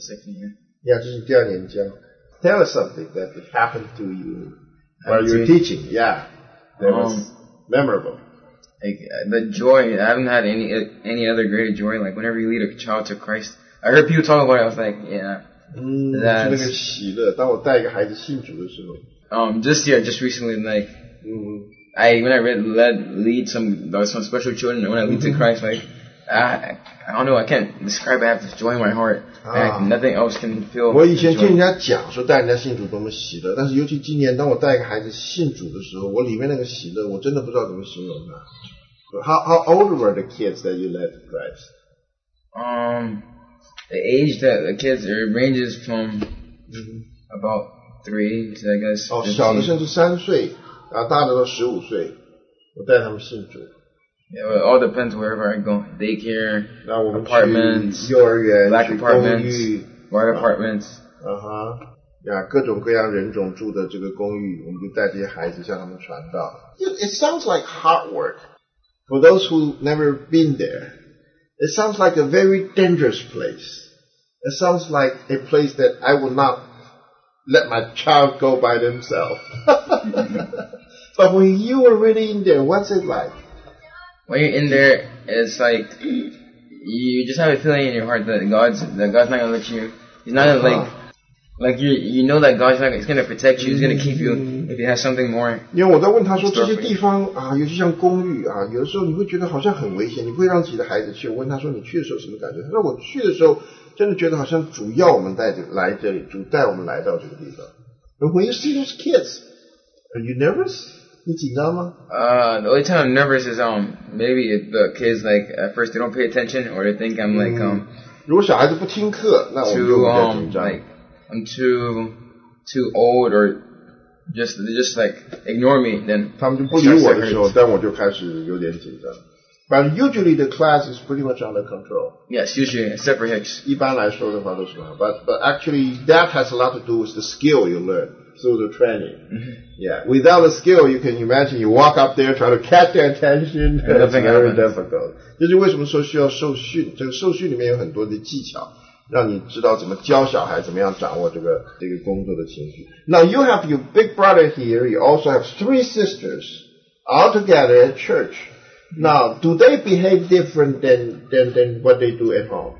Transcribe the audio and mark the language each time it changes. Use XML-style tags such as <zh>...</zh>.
<en>Second year.</en> <zh>Yeah, 这是第二年教.</zh> <en>Tell us something that happened to you while you were teaching. Yeah, that was memorable. The joy, I haven't had any other greater joy. Like whenever you lead a child to Christ,I heard people talk about it, I was like, yeah.</en> <zh>就那个喜乐，当我带一个孩子信主的时候。</zh> <en>Just recently, like, when I lead some special children, when I lead to Christ, like, I don't know, I can't describe, I have this joy in my heart. Nothing else can feel.</en> <zh>我以前听人家讲说带人家信主多么喜乐，但是尤其今年当我带一个孩子信主的时候，我里面那个喜乐，我真的不知道怎么形容它。</zh> <en>How old were the kids that you led to Christ? The age that the kids are ranges from about 3 to, I guess, 15.</en> <zh>小的甚至三岁，然后大的到十五岁，我带他们信主。</zh> <en>Yeah, well, it all depends wherever I go. Daycare, apartments,</en> <zh>幼儿园,</zh> <en>black apartments, white apartments.</en> <zh>Yeah, 各种各样人种住的这个公寓，我们就带这些孩子向他们传道。</zh> <en>It sounds like hard work for those who never been there. It sounds like a very dangerous place. It sounds like a place that I would not let my child go by themselves. But when you were really in there, what's it like? When you're in there, it's like you just have a feeling in your heart that God's not going to let you. He's not going to like you know that God's not, he's going to protect you, he's going to keep you if you have something more.</en> <zh>因为我在问他说这些地方啊，尤其像公寓啊，有的时候你会觉得好像很危险，你不会让自己的孩子去。我问他说你去的时候什么感觉，他说我去的时候真的觉得好像主要我们带来这里，主带我们来到这个地方。</zh> <en>And when you see those kids, are you nervous?</en> <zh>你紧张吗？</zh> <en>The only time I'm nervous is maybe if the kids like at first they don't pay attention or they think I'm like</en> <zh>如果小孩子不听课，那我们就有点紧张。</zh> <en>I'm too old or just like ignore me, then</en> <zh>他们就不理我的时候，但我就开始有点紧张。</zh> <en>But usually the class is pretty much under control. Yes, usually, except for Hicks.</en> <zh>一般来说的话都是很好。</zh> <en>But actually, that has a lot to do with the skill you learn through the training. Yeah, without the skill, you can imagine you walk up there, try to catch their attention. It's very difficult.</en> <zh>就是为什么说需要受训，这个受训里面有很多的技巧。让你知道怎么教小孩，怎么样掌握这个工作的情绪。</zh> <en>Now you have your big brother here. You also have three sisters all together at church. Now, do they behave different than what they do at home?</en>